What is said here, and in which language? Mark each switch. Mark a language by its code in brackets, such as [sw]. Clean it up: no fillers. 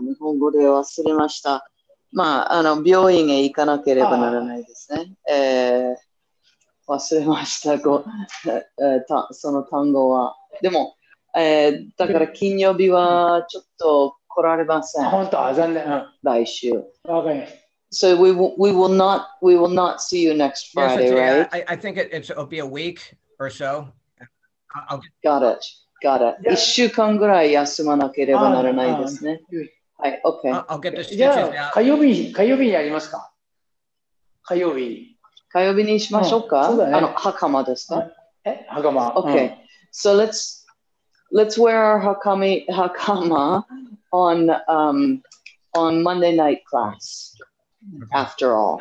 [ja] 日本語で忘れました。まあ、病院へ行かなければならないですね。忘れました。その単語は。でも、だから金曜日はちょっと来られません。本当は残念。来週。わかりました。 [en] So we will not see you next Friday, yes, right? I think it'll be a week or so. Got it. [ja] 一週間ぐらい休まなければならないですね。はい、OK。 [en] I'll get the stitches out. [ja] 火曜日にやりますか？火曜日にしましょうか？そうだね。袴ですか？袴。 [en] OK。 So let's wear our hakama on Monday night class, after all.